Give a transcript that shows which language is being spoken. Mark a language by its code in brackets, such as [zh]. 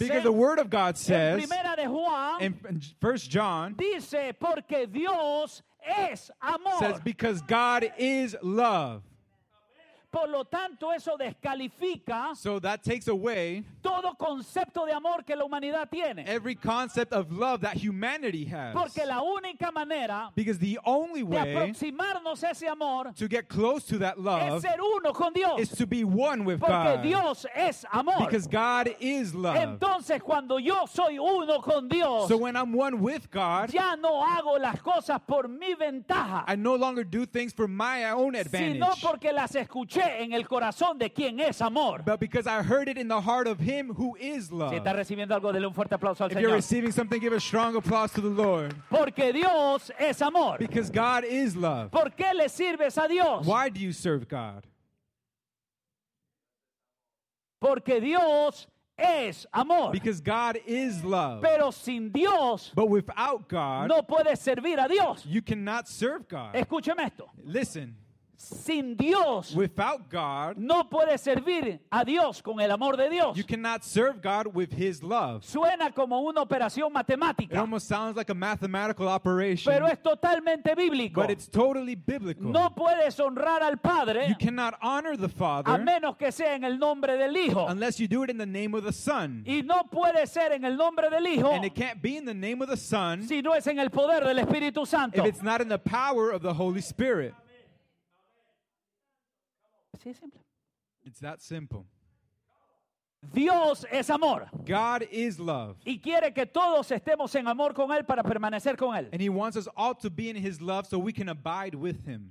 [en] because the word of God says [es] en primera de Juan, [en] in 1 John [es] dice, porque Dios es amor. [en] Says because God is love. [es] Por lo tanto, eso descalifica [en] so that takes away [es] todo concepto de amor que la humanidad tiene. [en] Every concept of love that humanity has. [es] Porque la única manera [en] because the only way [es] de aproximarnos a ese amor [en] to get close to that love [es] es ser uno con Dios. [en] Is to be one with [es] Porque [en] God. [es] Dios es amor. [en] Because God is love. [es] Entonces, cuando yo soy uno con Dios, [en] so when I'm one with God, [es] ya no hago las cosas por mi ventaja. [en] I no longer do things for my own advantage. [es] Sino porque las escucho. En el corazón de quien es amor. [en] But because I heard it in the heart of him who is love. [es] Si está recibiendo algo, dele un fuerte aplauso al [en] If [es] Señor. [en] You're receiving something, give a strong applause to the Lord. [es] Porque Dios es amor. [en] Because God is love. [es] ¿Por qué le sirves a Dios? [en] Why do you serve God? [es] Porque Dios es amor. [en] Because God is love. [es] Pero sin Dios, [en] but without God, [es] no puedes servir a Dios. [en] You cannot serve God. [es] Escúcheme esto. [en] Listen. [es] Sin Dios, [en] without God, [es] no puedes servir a Dios con el amor de Dios. [en] You cannot serve God with His love. [es] Suena como una operación matemática. [en] It almost sounds like a mathematical operation. [es] Pero es totalmente bíblico. [en] But it's totally biblical. [es] No puedes honrar al Padre. [en] You cannot honor the Father. [es] A menos que sea en el nombre del Hijo. [en] Unless you do it in the name of the Son. [es] Y no puede ser en el nombre del Hijo. [en] And it can't be in the name of the Son. [es] Si no es en el poder del Espíritu Santo. [en] If it's not in the power of the Holy Spirit. It's that simple. [es] Dios es amor. [en] God is love. [es] Y quiere que todos estemos en amor con él para permanecer con él. [en] And he wants us all to be in his love so we can abide with him.